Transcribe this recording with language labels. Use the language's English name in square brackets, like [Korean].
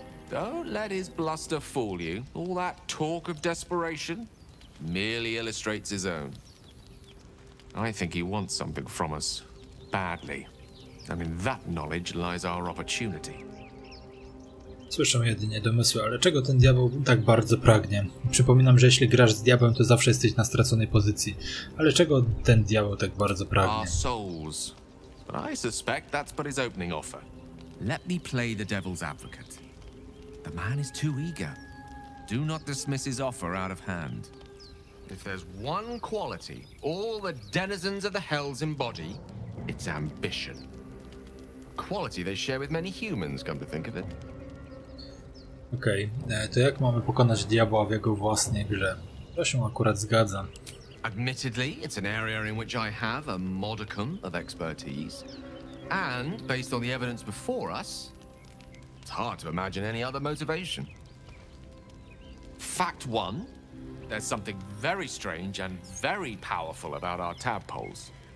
[English] Don't let his bluster fool you. All that talk of desperation merely illustrates his own. I think he wants something from us badly. And in that knowledge lies our opportunity. [Polish] Słyszę jedynie domysły, ale czego ten diabeł tak bardzo pragnie? Przypominam, że jeśli grasz z diabłem, to zawsze jesteś na straconej pozycji. Ale czego ten diabeł tak bardzo pragnie? [English] Our souls. But I suspect that's but his opening offer. Let me play the devil's advocate. The man is too eager. Do not dismiss his offer out of hand. If there's one quality all the denizens of the Hells embody, it's ambition. A quality they share with many humans, come to think of it. [Polish] Okej, okay. To jak mamy pokonać diabła w jego własnej grze? To się akurat zgadza. [English] Admittedly, it's an area in which I have a modicum of expertise. And, based on the evidence before us, it's hard to imagine any other motivation. Fact one, there's something very strange and very powerful about our tadpoles.